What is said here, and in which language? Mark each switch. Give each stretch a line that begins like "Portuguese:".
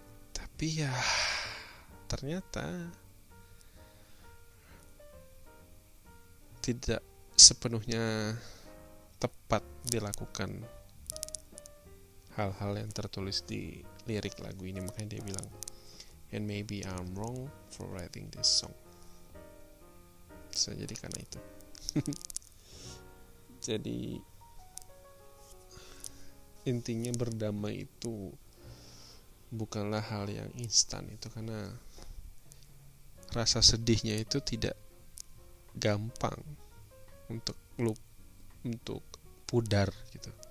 Indonesian: Tapi ya, ternyata tidak sepenuhnya tepat dilakukan hal-hal yang tertulis di lirik lagu ini. Makanya dia bilang,
English: and maybe I'm wrong for writing this song.
Indonesian: Jadi karena itu, jadi intinya berdamai itu bukanlah hal yang instan itu, karena rasa sedihnya itu tidak gampang untuk pudar gitu.